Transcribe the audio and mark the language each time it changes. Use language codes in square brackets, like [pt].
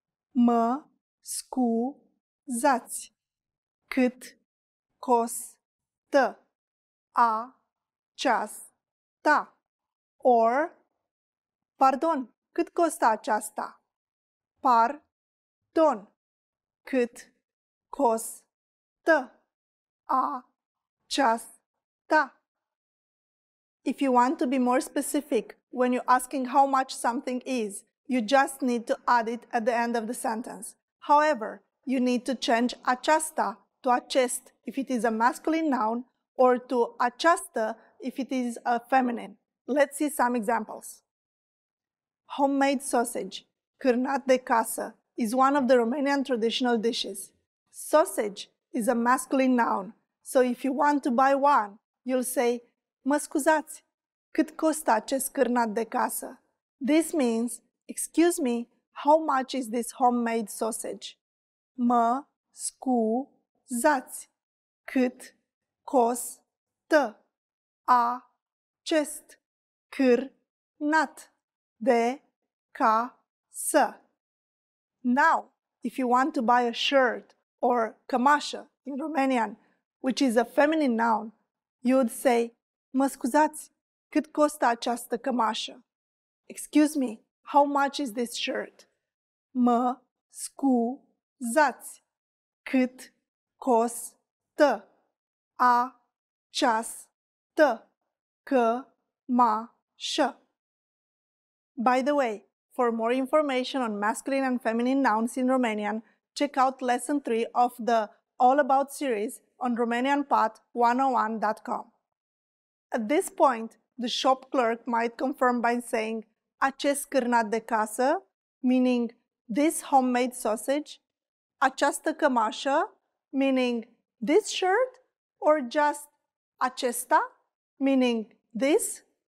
[ro] Mă scuzați, cât costă aceasta? Or, pardon, cât costă aceasta? Pardon, cât costă aceasta? [en] If you want to be more specific when you're asking how much something is, you just need to add it at the end of the sentence. However, you need to change aceasta to acest if it is a masculine noun or to aceasta if it is a feminine. Let's see some examples. Homemade sausage, [ro] cârnat de casă, [en] is one of the Romanian traditional dishes. Sausage is a masculine noun, so if you want to buy one, you'll say, [ro] mă scuzați, cât costă acest cârnat de casă? [en] This means, Excuse me, how much is this homemade sausage? [ro] Mă scuzați, cât costă acest cârnat de casă? [en] Now, if you want to buy a shirt or cămașă in Romanian, which is a feminine noun, you would say, [ro] mă scuzați, cât costă această cămașă? [en] Excuse me, how much is this shirt? [ro] Mă scuzați, cât costă această cămașă? [en] By the way, for more information on masculine and feminine nouns in Romanian, check out lesson 3 of the All About series on RomanianPod101.com. At this point, the shop clerk might confirm by saying [ro] acest cârnat de casă, [en] meaning this homemade sausage, [ro] această cămașă, [en] meaning this shirt, or just acesta, meaning this.